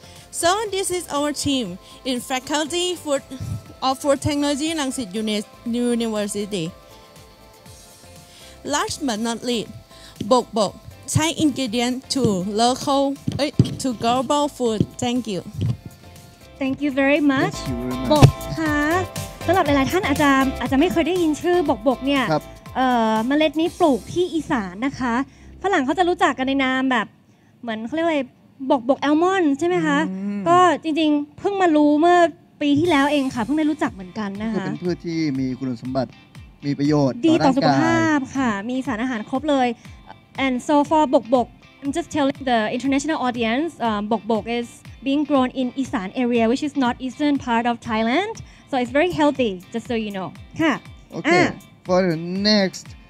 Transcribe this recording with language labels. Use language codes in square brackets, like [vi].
[en] So this is our team in Faculty of Food Technology, Rangsit University. Last but not least, Bok Bok, Thai ingredient to local, to global food. Thank you. Thank you very much. Thank you very much. Bok Ka. [th] สำหรับหลายๆท่านอาจจะไม่เคยได้ยินชื่อบกบกเนี่ยเมล็ดนี้ปลูกที่อีสานนะคะฝรั่งเขาจะรู้จักกันในนามแบบเหมือนเขาเรียกว่าบกบกแอลมอนด์ใช่ไหมคะก็จริงๆเพิ่งมารู้เมื่อปีที่แล้วเองค่ะเพิ่งได้รู้จักเหมือนกันนะคะ เป็นพืชที่มีคุณสมบัติมีประโยชน์ ดีต่อสุขภาพค่ะมีสารอาหารครบเลย [en] and so for บกบก I'm just telling the international audience บกบก is being grown in Isan area which is not eastern part of ThailandSo it's very healthy, just so you know. Okay, for the next...